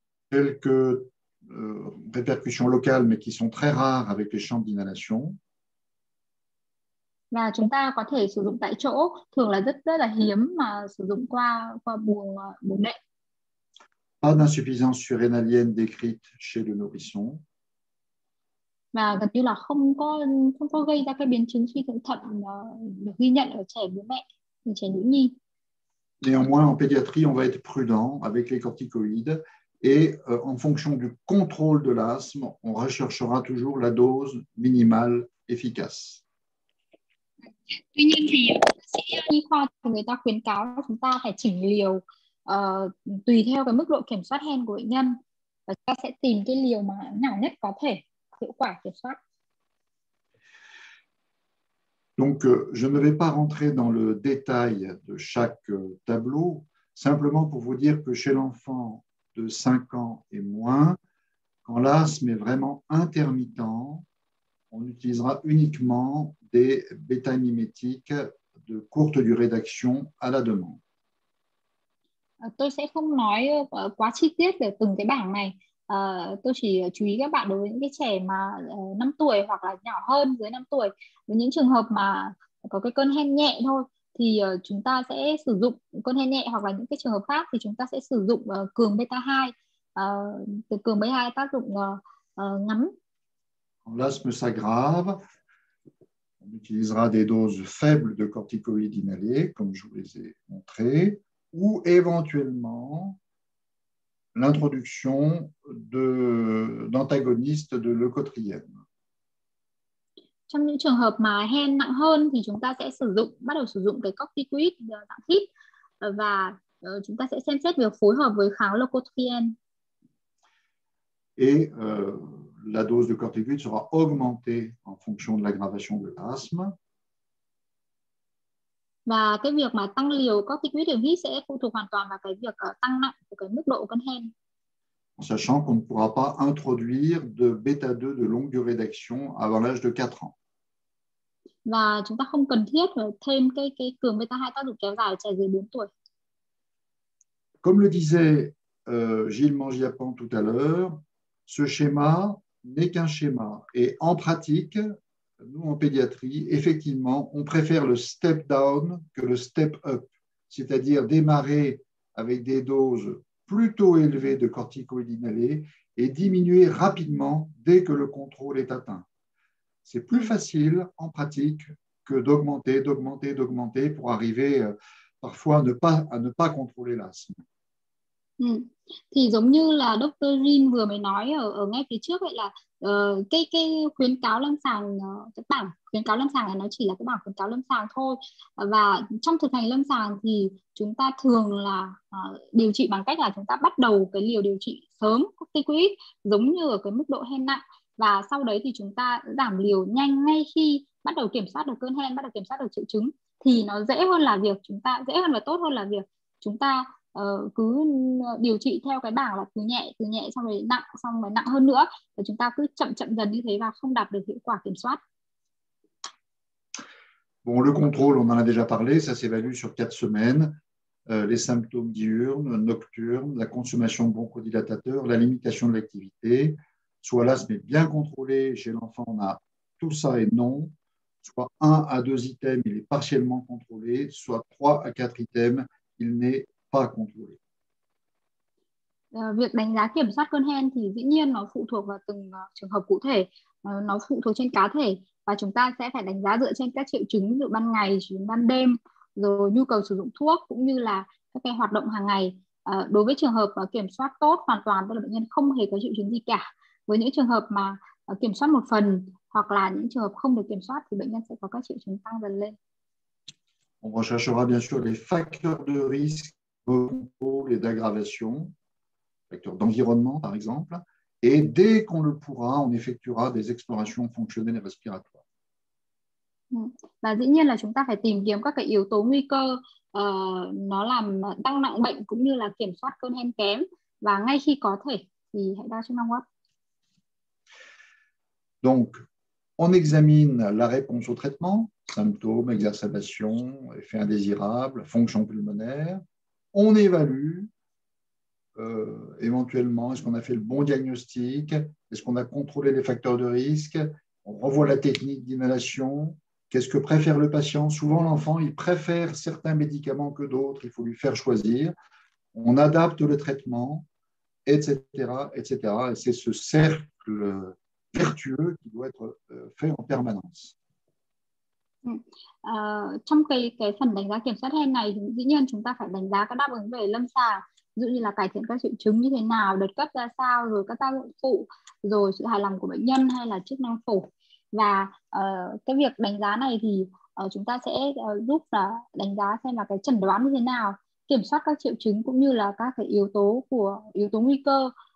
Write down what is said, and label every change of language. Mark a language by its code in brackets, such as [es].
[fr] Quelques répercussions locales mais qui sont très rares avec les chambres d'inhalation. [vi] Và chúng ta có thể sử dụng tại chỗ, thường là rất rất là hiếm mà sử dụng qua buồng buồng đệm. [fr] Pas d'insuffisance surrénalienne décrite chez le nourrisson. [vi] Và gần như là không có gây ra cái biến chứng suy thận được ghi nhận ở trẻ bố mẹ, ở trẻ nữ nhi. [fr] Néanmoins, en pédiatrie, on va être prudent avec les corticoïdes et en fonction du contrôle de l'asthme, on recherchera toujours la dose minimale efficace. [vi] Tuy nhiên thì y khoa người ta khuyến cáo chúng ta phải chỉnh liều tùy theo cái mức độ kiểm soát hen của bệnh nhân, và ta sẽ tìm cái liều mà nhỏ nhất có thể hiệu quả kiểm soát. [fr] Donc je ne vais pas rentrer dans le détail de chaque tableau, simplement pour vous dire que chez l'enfant de 5 ans et moins, quand l'asthme est vraiment intermittent, on utilisera uniquement des bêta-mimétiques de courte durée d'action à la demande. [vi] Tôi sẽ không nói quá chi tiết về từng cái bảng này. Tôi chỉ chú ý các bạn đối với những cái trẻ mà 5 tuổi hoặc là nhỏ hơn dưới 5 tuổi, với những trường hợp mà có cái cơn hen nhẹ thôi, thì chúng ta sẽ sử dụng cơn hen nhẹ, hoặc là những cái trường hợp khác thì chúng ta sẽ sử dụng cường beta 2. Từ cường beta 2 tác dụng ngắn. [fr] L'asthme s'aggrave, on utilisera des doses faibles de corticoïdes inhalés, comme je vous les ai montré, ou éventuellement l'introduction d'antagonistes de leucotriène. [vi] Trong những trường hợp mà hen nặng hơn thì chúng ta sẽ bắt đầu sử dụng cái corticoid dạng hít, và chúng ta sẽ xem xét việc phối hợp với kháng leucotriène. [fr] Et la dose de corticoïde sera augmentée en fonction de l'aggravation de l'asthme. [vi] Và cái việc mà tăng liều corticoïdes đường hít sẽ phụ thuộc hoàn toàn vào cái việc tăng nặng của cái mức độ cơn hen. [fr] En sachant qu'on ne pourra pas introduire de bêta 2 de longue durée d'action avant l'âge de 4 ans. [vi] Và chúng ta không cần thiết thêm cái cường beta 2 tác dụng kéo dài ở trẻ dưới 4 tuổi. [fr] Comme le disait Gilles Mangiapane tout à l'heure, ce schéma n'est qu'un schéma et en pratique nous, en pédiatrie, effectivement, on préfère le step down que le step up, c'est-à-dire démarrer avec des doses plutôt élevées de corticoïdes inhalés et diminuer rapidement dès que le contrôle est atteint. C'est plus facile en pratique que d'augmenter pour arriver parfois à ne pas contrôler l'asthme. [vi] Thì giống như là Dr. Jin vừa mới nói ở ngay phía trước vậy, là cái khuyến cáo lâm sàng, cái bảng khuyến cáo lâm sàng này nó chỉ là cái bảng khuyến cáo lâm sàng thôi, và trong thực hành lâm sàng thì chúng ta thường là điều trị bằng cách là chúng ta bắt đầu cái liều điều trị sớm corticoid giống như ở cái mức độ hen nặng, và sau đấy thì chúng ta giảm liều nhanh ngay khi bắt đầu kiểm soát được cơn hen, bắt đầu kiểm soát được triệu chứng, thì nó dễ hơn là việc chúng ta dễ hơn và tốt hơn là việc chúng ta cứ điều trị theo cái bảng là từ nhẹ xong rồi nặng, xong rồi nặng hơn nữa, và chúng ta cứ chậm chậm dần như thế và không đạt được hiệu quả kiểm soát. [fr] Bon, le contrôle, on en a déjà parlé, ça s'évalue sur 4 semaines. Les symptômes diurnes, nocturnes, la consommation de bronchodilatateurs, la limitation de l'activité. Soit l'asthme est bien contrôlé chez l'enfant, on a tout ça et non. Soit 1 à 2 items, il est partiellement contrôlé. Soit 3 à 4 items, il n'est pas contrôlé. [vi] Việc đánh giá kiểm soát cơn hen thì dĩ nhiên nó phụ thuộc vào từng trường hợp cụ thể, nó phụ thuộc trên cá thể, và chúng ta sẽ phải đánh giá dựa trên các triệu chứng, dù ban ngày, dù ban đêm, rồi nhu cầu sử dụng thuốc cũng như là các cái hoạt động hàng ngày. Đối với trường hợp kiểm soát tốt hoàn toàn, tức là bệnh nhân không hề có triệu chứng gì cả, với những trường hợp mà kiểm soát một phần hoặc là những trường hợp không được kiểm soát thì bệnh nhân sẽ có các triệu chứng tăng dần lên. [fr] On recherchera bien sûr les facteurs de risque et d'aggravation, facteurs d'environnement par exemple, et dès qu'on le pourra, on effectuera des explorations fonctionnelles et respiratoires. [vi] Và dĩ nhiên là chúng ta phải tìm kiếm các cái yếu tố nguy cơ nó làm tăng nặng bệnh cũng như là kiểm soát cơn hen kém, và ngay khi có thể thì hãy đo chức năng hô hấp. [fr] Donc, on examine la réponse au traitement. Symptômes, exacerbations, effets indésirables, fonction pulmonaire. On évalue éventuellement est-ce qu'on a fait le bon diagnostic, est-ce qu'on a contrôlé les facteurs de risque, on revoit la technique d'inhalation, qu'est-ce que préfère le patient. Souvent, l'enfant, il préfère certains médicaments que d'autres, il faut lui faire choisir. On adapte le traitement, etc., etc. Et c'est ce cercle vertueux qui doit être fait en permanence. [vi] Trong cái phần đánh giá kiểm soát hen này thì dĩ nhiên chúng ta phải đánh giá các đáp ứng về lâm sàng, ví dụ như là cải thiện các triệu chứng như thế nào, đợt cấp ra sao, rồi các tác dụng phụ, rồi sự hài lòng của bệnh nhân hay là chức năng phổi. Và cái việc đánh giá này thì chúng ta sẽ giúp là đánh giá xem là cái chẩn đoán như thế nào, kiểm soát các triệu chứng cũng như là các cái yếu tố nguy cơ,